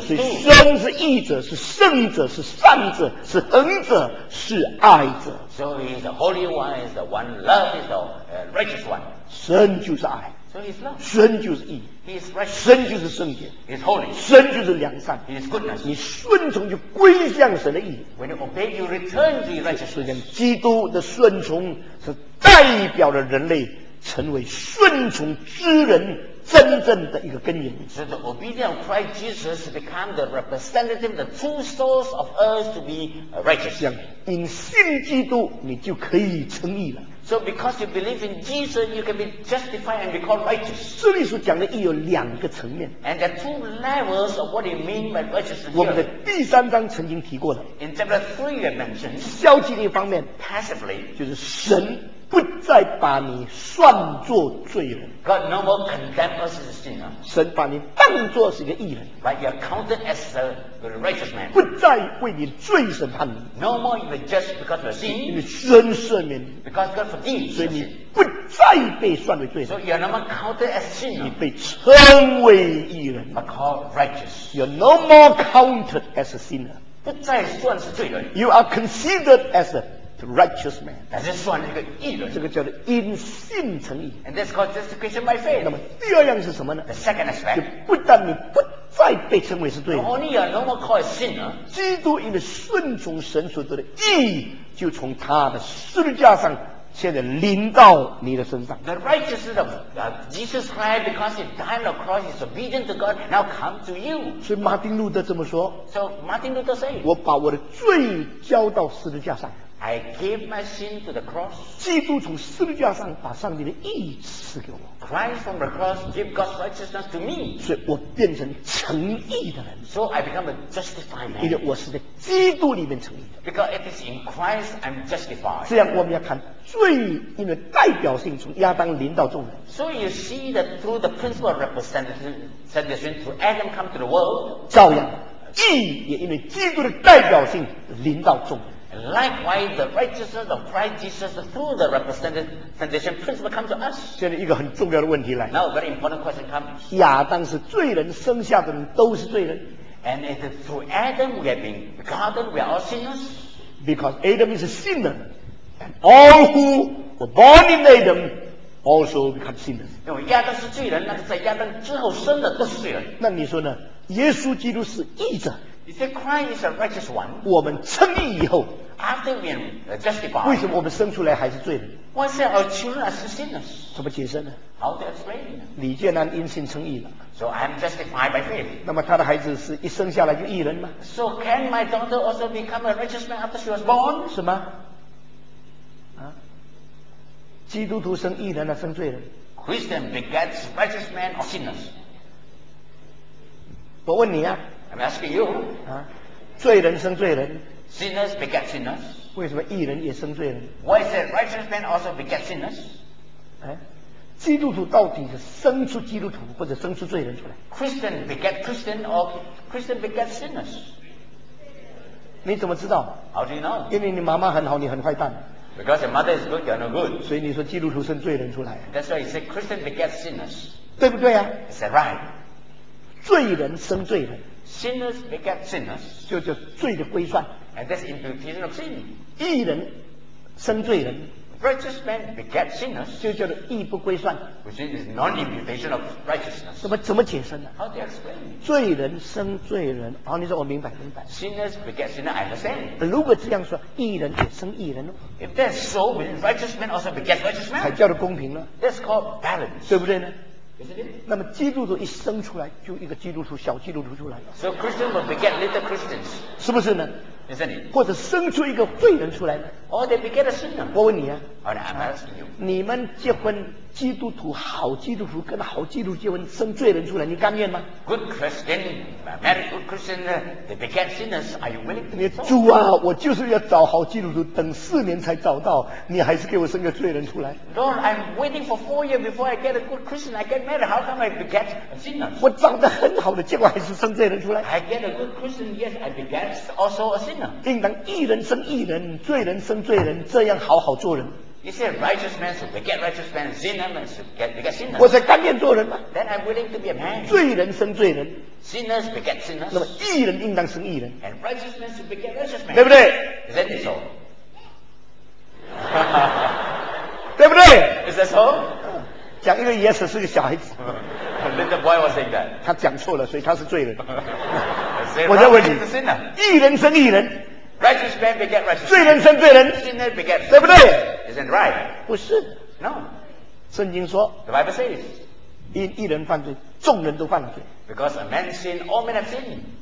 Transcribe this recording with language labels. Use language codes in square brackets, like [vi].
[zh] 所以神是义者是圣者是善者是恒者是爱者 [en] So he is the holy one, he is the one love, he is the righteous one [zh] 神就是爱 [en] So he is love [zh] 神就是义 [en] He is righteous. [zh] 神就是圣洁 [en] He is holy. [zh] 神就是良善 [en] He is goodness. [zh] 你顺从就归向神的义 [en] When you obey, you return to your righteousness. [zh] 基督的顺从是代表了人类成为顺从之人真正的一个根源 [en] So the obedience of Christ Jesus become the representative, the true source of us to be righteous. [zh] 这样因信基督你就可以称义了 [en] So because you believe in Jesus, you can be justified and be called righteous. [zh] 这里所讲的义有两个层面。 [en] And there are two levels of what you mean by righteousness. [zh] 我们的第三章曾经提过的。 [en] In chapter 3 you mentioned. [zh] 消极的一方面。 [en] Passively. [zh] 就是神不再把你算作罪人。 [en] God no more condemns us as a sinner. [zh] 神把你当作是一个义人。 [en] But you are counted as a righteous man. [zh] 不再为你罪审判你。 [en] No more you are judged because of sin. [zh] 因为神赦免你。 [en] Because God forgives you. [zh] 所以你不再被算为罪人。 [en] So you are no more counted as a sinner. [zh] 你被称为义人。 [en] But called righteous. You are no more counted as a sinner. [zh] 不再算是罪人。 [en] You are considered as ato righteous man. [zh] 但是算一个义人。这个叫做因信称义。 [en] And that's called justification by faith. [zh] 那么第二样是什么呢 [en] ?The second aspect. [zh] 就不但你不再被称为是罪人。 [en] Only you are no more called a sinner. [zh] 基督因为顺从神所得的义就从他的十字架上现在临到你的身上。 [en] The righteousness of Jesus Christ because he died on the cross is obedient to God now come to you. [zh] 所以马丁路德这么说。 [en] So Martin Luther said, [zh] 我把我的罪交到十字架上。 [en] I gave my sin to the cross. [zh] 基督从十字架上把上帝的义赐给我。 [en] Christ from the cross gave God's righteousness to me. [zh] 所以我变成诚义的人。 [en] So I become a justified man. [zh] 因为我是在基督里面诚义的。 [en] Because it is in Christ I'm justified. [zh] 这样我们要看罪因为代表性从亚当临到众人。 [en] So you see that through the principle of representation through Adam come to the world. [zh] 照样，义也因为基督的代表性临到众人。 [en] Likewise, the righteousness of Christ Jesus through the representation principle comes to us. [zh] 现在一个很重要的问题来。 [en] Now, a very important question comes. [zh] 亚当是罪人，生下的人都是罪人。 [en] And it is through Adam we have been begotten, we are all sinners. Because Adam is a sinner, and all who were born in Adam also become sinners. [zh] 因为亚当是罪人，那个在亚当之后生的都是罪人。那你说呢？耶稣基督是义者。 [en] You say Christ is a righteous one. [zh] 我们称义以后 [en] ，after we justified， [zh] 为什么我们生出来还是罪人 [en] ？Why say our children are sinners？ [zh] 怎么解释呢 [en] ？How to explain？ [zh] 李建南因信称义了。 [en] So I'm justified by faith。 [zh] 那么他的孩子是一生下来就义人吗 [en] ？So can my daughter also become a righteous man after she was born？ [zh] 什么？基督徒生义人呢，生罪人。 [en] Christian begets righteous man or sinners。 [zh] 我问你啊。 [en] I'm asking you。 [zh] 啊，罪人生罪人。 [en] Sinners beget sinners。 [zh] 为什么义人也生罪人 [en] ？Why is it righteous man also beget sinners？ [zh] 哎，基督徒到底是生出基督徒或者生出罪人出来 [en] ？Christian beget Christian or Christian beget sinners？ [zh] 你怎么知道 [en] ？How do you know？ [zh] 因为你妈妈很好，你很坏蛋。 [en] Because your mother is good, you are no good. [zh] 所以你说基督徒生罪人出来。 [en] That's why you say Christian begets sinners. [zh] 对不对啊 [en] ？Is that right? [zh] 罪人生罪人。 [en] Sinners beget sinners. [zh] 就叫罪的归算。 [en] And that's imputation of sin. [zh] 义人生罪人。 [en] Righteous man begets sinners. [zh] 就叫做义不归算。 [en] Which is non-imputation of righteousness. [zh] 怎么解释呢 [en] ？How do you explain? [zh] 罪人生罪人。哦，你说我明白。 [en] Sinners beget sinners. I understand. [zh] 如果这样说，义人也生义人。 [en] If that's so, righteous man also begets righteous man. [zh] 才叫做公平呢。 [en] That's called balance. [zh] 对不对呢？ [en] Isn't it? [zh] 那么基督徒一生出来就一个基督徒，小基督徒出来了。 [en] So Christian will beget little Christians. [zh] 是不是呢 [en] ？Isn't it? [zh] 或者生出一个罪人出来呢 [en] ？Or they beget a sinner. [zh] 我问你啊。 [en] Oh, I'm asking you. [zh] 你们结婚，基督徒好基督徒跟好基督徒结婚，生罪人出来，你甘愿吗 [en] ？Good Christian, marry good Christian. They beget sinners. Are you willing? [zh] 你主啊，我就是要找好基督徒，等四年才找到，你还是给我生个罪人出来 [en] ？Lord, I'm waiting for 4 years before I get a good Christian. I get married. How come I beget sinners? [zh] 我长得很好的，结果还是生罪人出来。 [en] I get a good Christian. Yes, I beget also a sinner. [zh] 应当义人生义人，罪人生罪人，这样好好做人。 [en] You say righteous man should beget righteous man, sinner man should beget sinner. [zh] 我才甘愿做人吗 [en] ？Then I'm willing to be a man. [zh] 罪人生罪人 [en] ，sinners beget sinners. [zh] 那么义人应当生义人 [en] ，and righteous man should beget righteous man. [zh] 对不对 [en] ？Is that so? [zh] 对不对 [en] ？Is that so? [zh] 讲一个野史是个小孩子。 [en] Little boy was saying that. [zh] 他讲错了，所以他是罪人。我再问你，义人生义人。 [en] Righteous man beget righteous. [zh] 罪人生罪人 [en] ，sinner beget sinner. [zh] 对不对 [en] ？Isn't right? [zh] 不是。 [en] No. [zh] 圣经说 [en] ，The Bible says, [zh] 因一人犯罪，众人都犯了罪。 [en] Because a man sin, all men have sinned.